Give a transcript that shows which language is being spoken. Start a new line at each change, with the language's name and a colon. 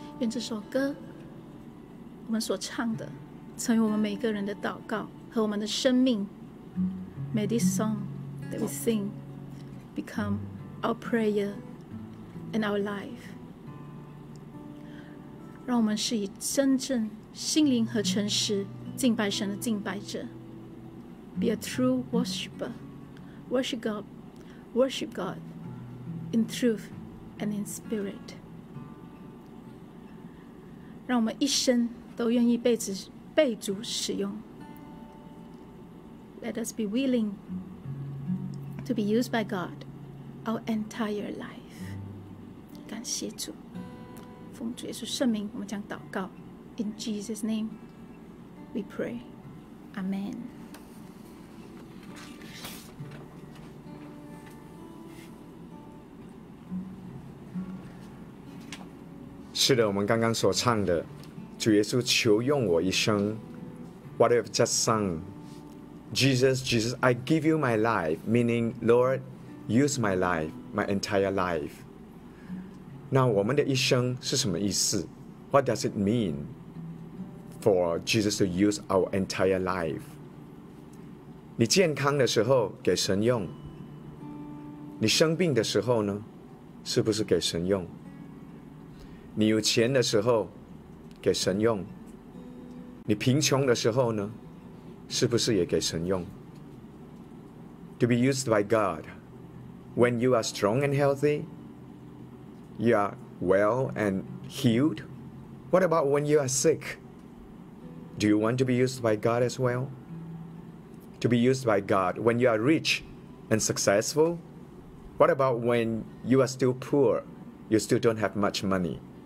Chinese: 这首歌，我们所唱的，成为我们每个人的祷告和我们的生命。
English: May this song that we sing become our prayer and our life。
Chinese: 让我们是以真正心灵和诚实敬拜神的敬拜者。
English: Be a true worshipper, worship God in truth and in spirit。
Chinese: 让我们一生都愿意被主使用。
English: Let us be willing to be used by God our entire life.
Chinese: 感谢主，奉主耶稣圣名，我们将祷告。
English: In Jesus' name, we pray.
Chinese: 阿们。是的，我们刚刚所唱的，主耶稣求用我一生。
English: What I have just sung, Jesus, Jesus, I give you my life, meaning, Lord, use my life, my entire life.
Chinese: 那我们的一生是什么意思？
English: What does it mean for Jesus to use our entire life?
Chinese: 你健康的时候给神用，你生病的时候呢，是不是给神用？你有钱的时候给神用，你贫穷的时候呢，是不是也给神用？
English: To be used by God, when you are strong and healthy, you are well and healed, what about when you are sick? Do you want to be used by God as well? To be used by God when you are rich and successful, what about when you are still poor, you still don't have much money?